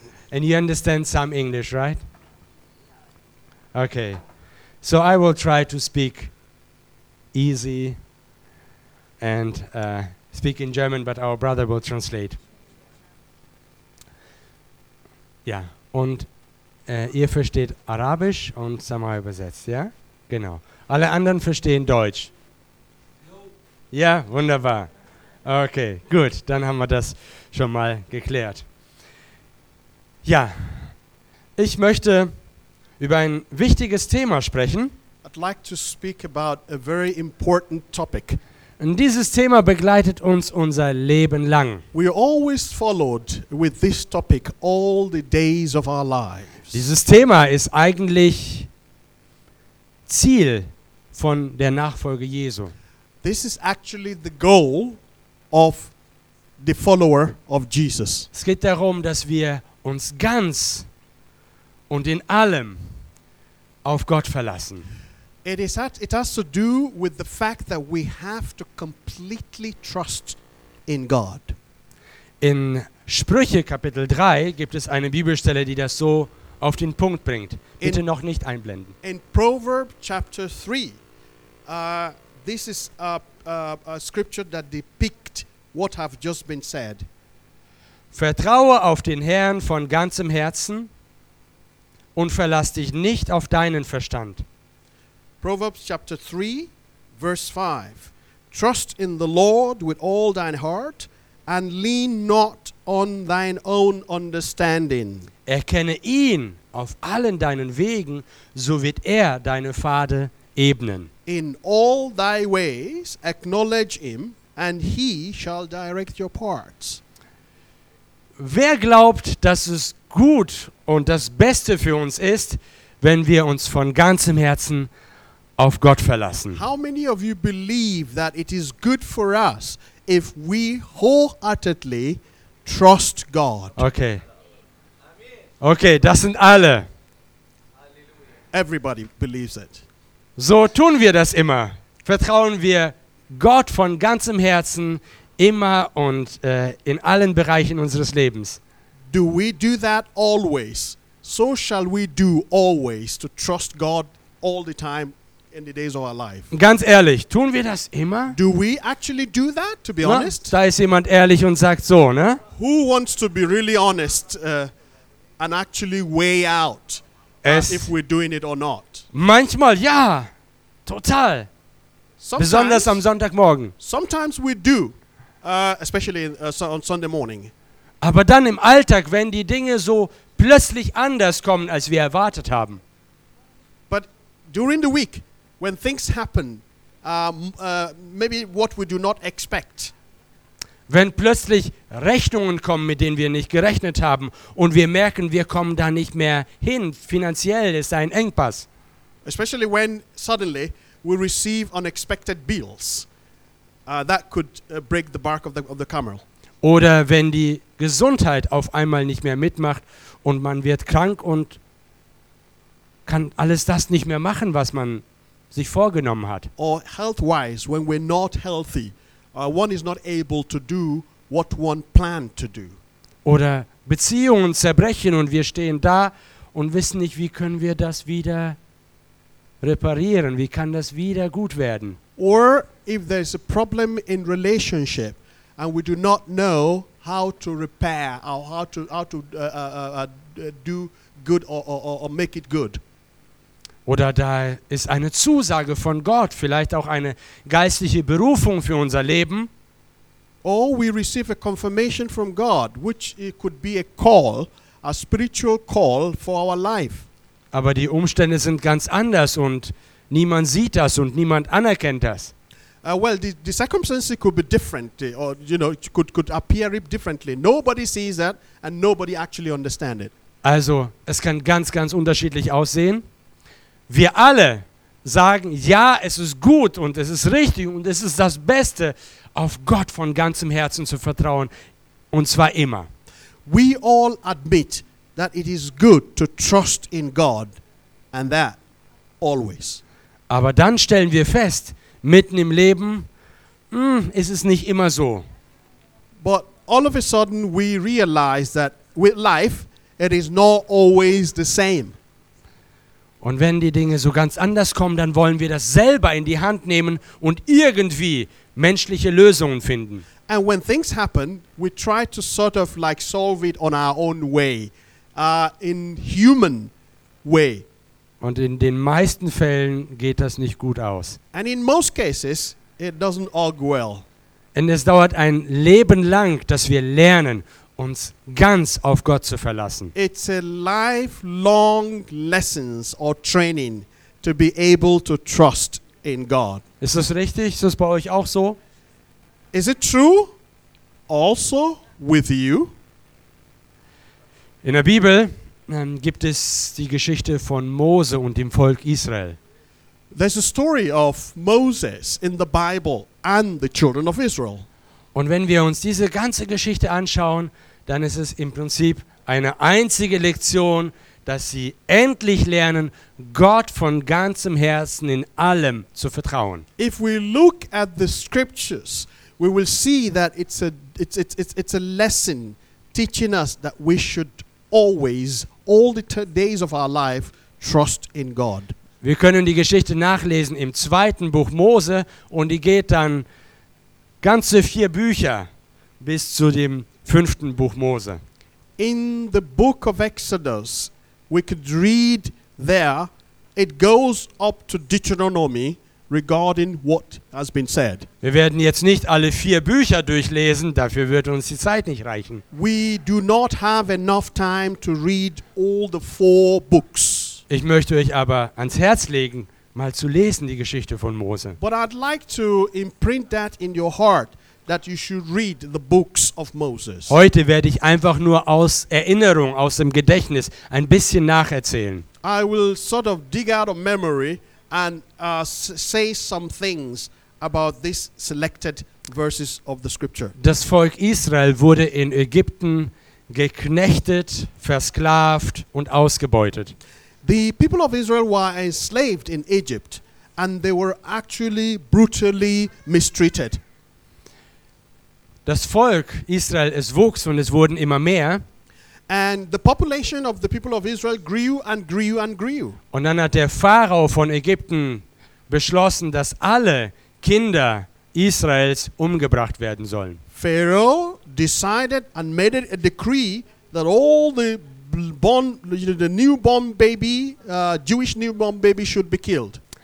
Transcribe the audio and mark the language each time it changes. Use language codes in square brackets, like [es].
[en] And you understand some English, right? Okay, so I will try to speak easy and speak in German, but our brother will translate. [de] Ja, und ihr versteht Arabisch und Samar übersetzt, ja? Genau. Alle anderen verstehen Deutsch. Ja, wunderbar. Okay, gut, dann haben wir das schon mal geklärt. Ja, ich möchte über ein wichtiges Thema sprechen. [en] I'd like to speak about a very important topic. [de] Und dieses Thema begleitet uns unser Leben lang. [en] We are always followed with this topic all the days of our lives. [de] Dieses Thema ist eigentlich Ziel von der Nachfolge Jesu. [en] This is actually the goal of the follower of Jesus. [de] Es geht darum, dass wir uns ganz und in allem auf Gott verlassen. [en] It has to do with the fact that we have to completely trust in God. [de] In Sprüche Kapitel 3 gibt es eine Bibelstelle, die das so auf den Punkt bringt. Bitte noch nicht einblenden. [en] In Proverbs chapter 3, this is a scripture that depicts what have just been said. [de] Vertraue auf den Herrn von ganzem Herzen und verlass dich nicht auf deinen Verstand. [en] Proverbs chapter 3, verse 5. Trust in the Lord with all [de] dein [en] heart and lean not on thine own understanding. [de] Erkenne ihn auf allen deinen Wegen, so wird er deine Pfade ebnen. [en] In all thy ways acknowledge him and he shall direct your paths. [de] Wer glaubt, dass es gut und das Beste für uns ist, wenn wir uns von ganzem Herzen auf Gott verlassen? [en] How many of you believe that it is good for us if we wholeheartedly trust God? [de] Okay. Okay, das sind alle. [en] Everybody believes it. [de] So tun wir das immer. Vertrauen wir Gott von ganzem Herzen immer und in allen Bereichen unseres Lebens. [en] Do we do that always? So shall we do always to trust God all the time in the days of our life. [de] Ganz ehrlich, tun wir das immer? [en] Do we actually do that, to be honest? [de] Da ist jemand ehrlich und sagt so, ne? [en] Who wants to be really honest and actually weigh out if we're doing it or not? [de] Manchmal ja, total. [en] Sometimes, [de] besonders am Sonntagmorgen. [en] Sometimes we do, especially on Sunday morning. [de] Aber dann im Alltag, wenn die Dinge so plötzlich anders kommen, als wir erwartet haben. [en] But during the week, when things happen, maybe what we do not expect. [de] Wenn plötzlich Rechnungen kommen, mit denen wir nicht gerechnet haben, und wir merken, wir kommen da nicht mehr hin. Finanziell ist ein Engpass. [en] Especially when suddenly we receive unexpected bills, that could break the bark of the camel. [de] Oder wenn die Gesundheit auf einmal nicht mehr mitmacht und man wird krank und kann alles das nicht mehr machen, was man sich vorgenommen hat. [en] Or health-wise, when we're not healthy, one is not able to do what one planned to do. [de] Oder Beziehungen zerbrechen und wir stehen da und wissen nicht, wie können wir das wieder reparieren, wie kann das wieder gut werden. [en] Or if there's a problem in relationship and we do not know how to repair or how to do good or make it good. [de] Oder da ist eine Zusage von Gott, vielleicht auch eine geistliche Berufung für unser Leben. [en] Or we receive a confirmation from God, which it could be a call, a spiritual call for our life. [de] Aber die Umstände sind ganz anders und niemand sieht das und niemand anerkennt das. [en] The circumstances could be different, or you know, it could appear differently. Nobody sees that and nobody actually understands it. [de] Also, es kann ganz, ganz unterschiedlich aussehen. Wir alle sagen, ja, es ist gut und es ist richtig und es ist das Beste, auf Gott von ganzem Herzen zu vertrauen, und zwar immer. [en] We all admit that it is good to trust in God, and that always. [de] Aber dann stellen wir fest, mitten im Leben, ist es nicht immer so. [en] But all of a sudden we realize that with life it is not always the same. [de] Und wenn die Dinge so ganz anders kommen, dann wollen wir das selber in die Hand nehmen und irgendwie menschliche Lösungen finden. [en] And when things happen, we try to sort of like solve it on our own way, in human way. [de] Und in den meisten Fällen geht das nicht gut aus. [en] And in most cases, it doesn't all go well. [de] Und es dauert ein Leben lang, dass wir lernen, uns ganz auf Gott zu verlassen. [en] It's a lifelong lessons or training to be able to trust in God. [de] Ist das richtig? Ist das bei euch auch so? [en] Is it true also with you? [de] In der Bibel gibt es die Geschichte von Mose und dem Volk Israel. [en] There's a story of Moses in the Bible and the children of Israel. [de] Und wenn wir uns diese ganze Geschichte anschauen, dann ist es im Prinzip eine einzige Lektion, dass sie endlich lernen, Gott von ganzem Herzen in allem zu vertrauen. [en] If we look at the scriptures, we will see that it's a lesson teaching us that we should always, all the days of our life, trust in God. [de] Wir können die Geschichte nachlesen im zweiten Buch Mose und die geht dann ganze vier Bücher bis zu dem fünften Buch Mose. [en] In the book of Exodus, we could read there, it goes up to Deuteronomy regarding what has been said. [de] Wir werden jetzt nicht alle vier Bücher durchlesen, dafür wird uns die Zeit nicht reichen. [en] We do not have enough time to read all the four books. [de] Ich möchte euch aber ans Herz legen, mal zu lesen die Geschichte von Mose. [en] But I'd like to imprint that in your heart that you should read the books of Moses. [de] Heute werde ich einfach nur aus Erinnerung, aus dem Gedächtnis ein bisschen nacherzählen. [en] I will sort of dig out of memory and say some things about these selected verses of the scripture. [de] Das Volk Israel wurde in Ägypten geknechtet, versklavt und ausgebeutet. [en] The people of Israel were enslaved in Egypt and they were actually brutally mistreated. [de] Das Volk Israel, es wuchs und es wurden immer mehr. [en] And the population of the people of Israel grew and grew and grew. [de] Und dann hat der Pharao von Ägypten beschlossen, dass alle Kinder Israels umgebracht werden sollen. [en] Pharaoh decided and made it a decree that all the born, the newborn baby, Jewish newborn baby should be killed.